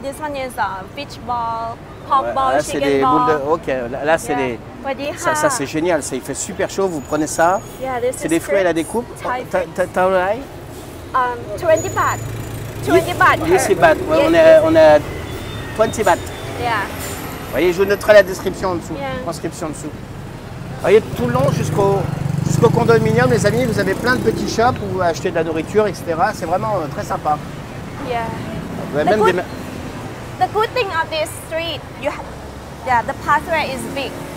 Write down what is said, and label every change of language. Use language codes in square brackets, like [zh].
[en] This one is a beach ball, pop ball, [fr] là, c'est [en] chicken [fr] des [en] ball. [fr] De, ok, là c'est des. Yeah. Ça c'est génial, ça, il fait super chaud, vous prenez ça. [en] Yeah, [fr] c'est des fruits à la découpe. T'as un rail 20 baht. 20 baht. 20 baht. On a 20 baht. [en] Yeah. [fr] Voyez, je noterai la description en dessous. [en] Yeah. [fr] Transcription en dessous. Voyez, tout le long jusqu'au condominium, les amis, vous avez plein de petits shops où vous achetez de la nourriture, etc. C'est vraiment très sympa. [en] Yeah. [fr] Vous avez même des. [en] The good thing of this street, you have, yeah, the pathway is big.